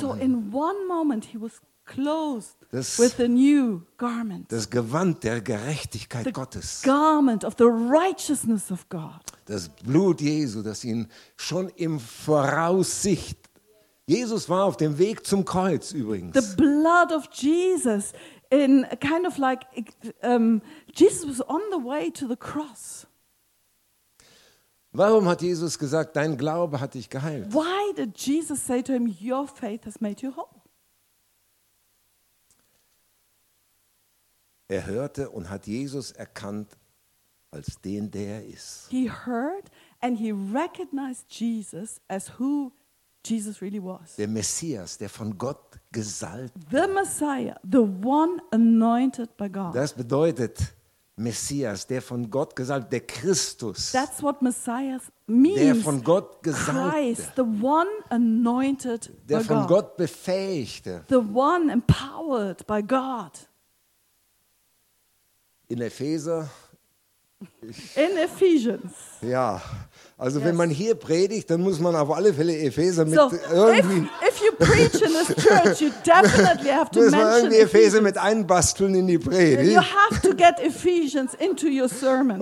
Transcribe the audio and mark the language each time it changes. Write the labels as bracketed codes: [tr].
[en] So in one moment he was clothed with a new garment. [de] Das Gewand der Gerechtigkeit Gottes. [en] The garment of the righteousness of God. [de] Das Blut Jesu, das ihn schon im Voraussicht. Jesus war auf dem Weg zum Kreuz übrigens. [en] The blood of Jesus in kind of like Jesus was on the way to the cross. [de] Warum hat Jesus gesagt, dein Glaube hat dich geheilt? [en] Why did Jesus say to him, your faith has made you whole? [de] Er hörte und hat Jesus erkannt als den, der er ist. [en] He heard and he recognized Jesus as who Jesus really was. [de] Der Messias, der von Gott gesalbt. [en] The Messiah, the one anointed by God. [de] Das bedeutet Messias, der von Gott gesalbt, der Christus. [en] That's what Messiah means. [de] Der von Gott gesalbte. [en] Christ, the one anointed by God. [de] Der von Gott befähigte. [en] The one empowered by God. [de] In Epheser. [en] In Ephesians. [de] Ja, also yes. Wenn man hier predigt, dann muss man auf alle Fälle Epheser mit irgendwie. [en] If you preach in this church, you definitely have to mention. [de] Muss man irgendwie Epheser mit einbasteln in die Predigt. [en] You have to get Ephesians into your sermon.